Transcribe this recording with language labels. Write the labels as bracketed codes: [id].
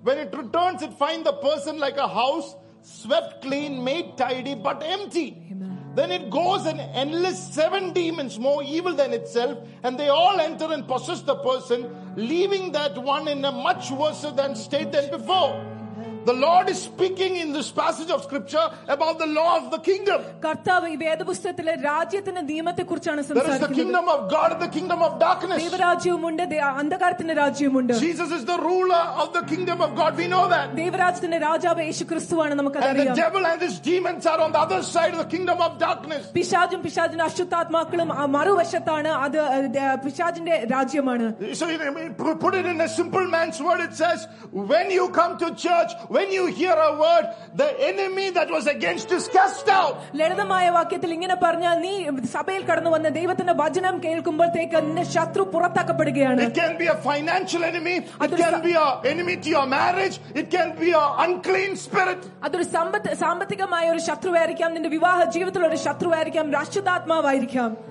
[en] When it returns, it finds the person like a house, swept clean, made tidy, but empty. Amen. Then it goes and enlists 7 demons more evil than itself, and they all enter and possess the person, leaving that one in a much worse than state than before. The Lord is speaking in this passage of scripture about the law of the kingdom. [ml] കർത്താവ് ഈ വേദപുസ്തകത്തിലെ രാജ്യത്തിന്റെ നിയമത്തെ കുറിച്ചാണ് സംസാരിക്കുന്നത്. [en] There is the kingdom of God and the kingdom of darkness. [ml] ദൈവരാജ്യമുണ്ട് അന്ധകാരത്തിന്റെ രാജ്യമുണ്ട്. [en] Jesus is the ruler of the kingdom of God. We know that. [ml] ദൈവരാജ്യത്തിന്റെ രാജാവ് യേശുക്രിസ്തുവാണ് നമുക്കറിയാം. [en] And the devil and his demons are on the other side of the kingdom of darkness. [ml] പിശാചും പിശാചിന്റെ അശുദ്ധാത്മാക്കളും മറുവശത്താണ് അത് പിശാചിന്റെ രാജ്യമാണ്. [en] Put it in a simple man's word, it says, when you come to church, when you hear a word, the enemy that was against you is cast out. [ml] ലളിതമായ വാക്യത്തിൽ ഇങ്ങനെ പറഞ്ഞാൽ നീ സഭയിൽ കടന്നു വന്ന ദൈവത്തിന്റെ വചനം കേൾക്കുമ്പോഴേക്ക് നിന്റെ ശത്രു പുറത്താക്കപ്പെടുകയാണ്. [en] It can be a financial enemy, it can be a enemy to your marriage, it can be a unclean spirit. [ml] അതൊരു സാമ്പത്തികമായ ഒരു ശത്രുവായിരിക്കാം, നിന്റെ വിവാഹ ജീവിതത്തിൽ ഒരു ശത്രുവായിരിക്കാം, രാഷ്ട്രദാത്മാവായിരിക്കാം.